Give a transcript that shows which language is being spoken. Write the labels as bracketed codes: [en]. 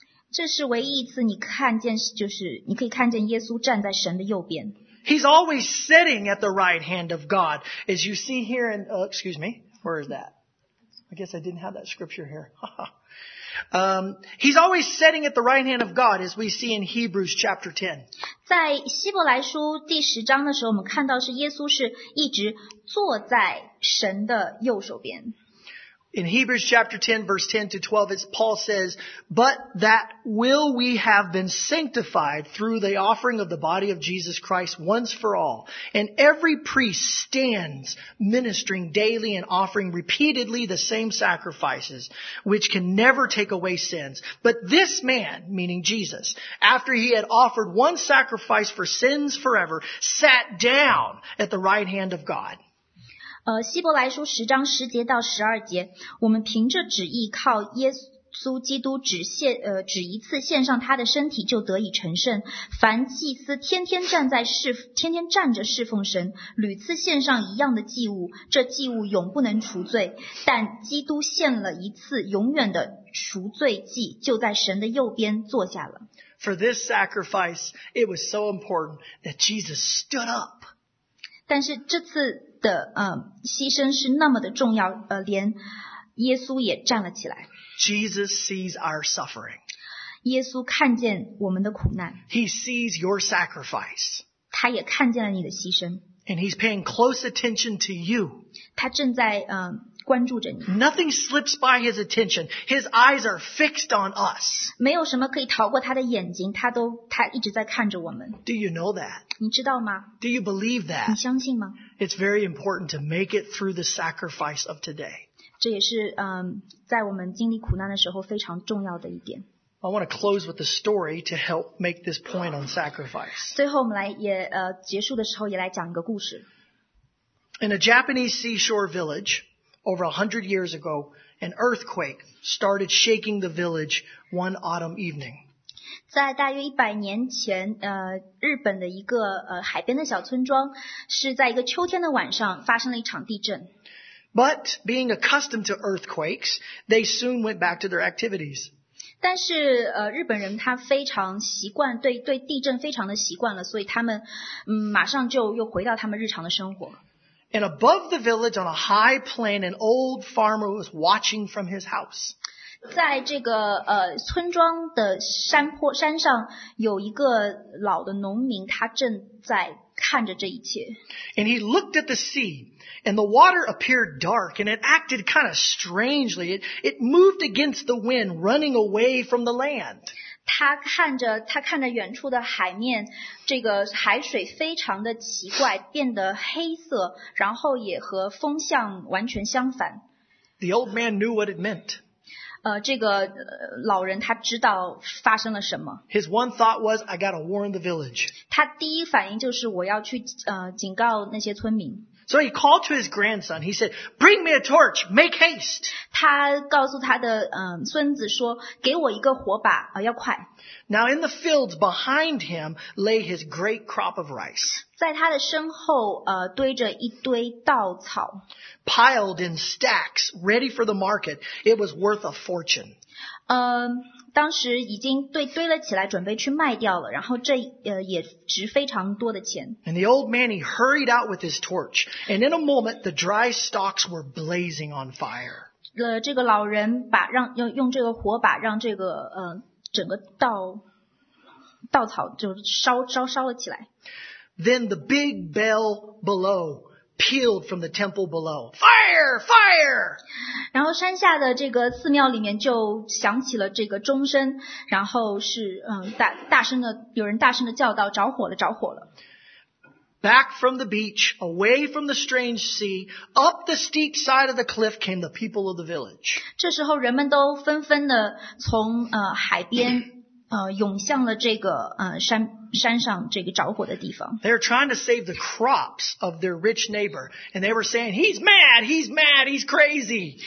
[zh] 这是唯一一次你看见，就是你可以看见耶稣站在神的右边。 [en] He's always sitting at the right hand of God, as you see here in, excuse me, where is that? I guess I didn't have that scripture here. he's always sitting at the right hand of God, as we see in Hebrews chapter 10. [zh] 在希伯来书第十章的时候，我们看到是耶稣是一直坐在神的右手边。 [en] In Hebrews chapter 10, verse 10 to 12, it's Paul says, But that will we have been sanctified through the offering of the body of Jesus Christ once for all. And every priest stands ministering daily and offering repeatedly the same sacrifices, which can never take away sins. But this man, meaning Jesus, after he had offered one sacrifice for sins forever, sat down at the right hand of God. [zh] 希伯来书十章十节到十二节，我们凭着旨意靠耶稣基督只一次献上他的身体就得以成圣。凡祭司天天站着侍奉神，屡次献上一样的祭物，这祭物永不能除罪。但基督献了一次永远的赎罪祭，就在神的右边坐下了。 [en] For this sacrifice, it was so important that Jesus stood up. [zh] 但是这次的牺牲是那么的重要，连耶稣也站了起来。 [en] Jesus sees our suffering. [zh] 耶稣看见我们的苦难。 [en] He sees your sacrifice. [zh] 他也看见了你的牺牲。 [en] And he's paying close attention to you. [zh] 他正在关注着你。 [en] Nothing slips by his attention. His eyes are fixed on us. [zh] 没有什么可以逃过他的眼睛，他一直在看着我们。 [en] Do you know that? [zh] 你知道吗？ [en] Do you believe that? [zh] 你相信吗？ [en] It's very important to make it through the sacrifice of today. [zh] 这也是在我们经历苦难的时候非常重要的一点。 [en] I want to close with a story to help make this point on sacrifice. [zh] 最后我们来也结束的时候也来讲一个故事。 [en] In a Japanese seashore village, over 100 years ago, an earthquake started shaking the village one autumn evening. [zh] 在大约一百年前日本的一个海边的小村庄是在一个秋天的晚上发生了一场地震。 [en] But being accustomed to earthquakes, they soon went back to their activities. [zh] 但是日本人他非常习惯对地震非常的习惯了，所以他们马上就又回到他们日常的生活。 [en] And above the village on a high plain, an old farmer was watching from his house. [zh] 在这个村庄的山上有一个老的农民，他正在看着这一切。 [en] And he looked at the sea, and the water appeared dark, and it acted kind of strangely. It moved against the wind, running away from the land. [zh] 他看着远处的海面，这个海水非常的奇怪，变得黑色，然后也和风向完全相反。 [en] The old man knew what it meant. [zh] 这个老人他知道发生了什么。 [en] His one thought was, I gotta warn the village. [zh] 他第一反应就是我要去警告那些村民。 [en] So he called to his grandson. He said, bring me a torch, make haste. [zh] 他告诉他的孙子说给我一个火把要快。 [en] Now in the fields behind him lay his great crop of rice. [zh] 在他的身后堆着一堆稻草。 [en] Piled in stacks, ready for the market, it was worth a fortune. [zh] 当时已经堆了起来准备去卖掉了，然后这也值非常多的钱。 [en] And the old man, he hurried out with his torch, and in a moment, the dry stalks were blazing on fire. [zh] 这个老人用这个火把让这个整个稻草就烧了起来。 [en] Then the big bell below pealed from the temple below. Fire! Fire! [zh] 然后山下的这个寺庙里面就响起了这个钟声，然后是有人大声的叫道，着火了，着火了。 [en] Back from the beach, away from the strange sea, up the steep side of the cliff came the people of the village. [zh] 这时候人们都纷纷的从海边涌向了这个山上这个着火的地方。 [en] They're trying to save the crops of their rich neighbor, and they were saying, he's mad, he's mad, he's crazy.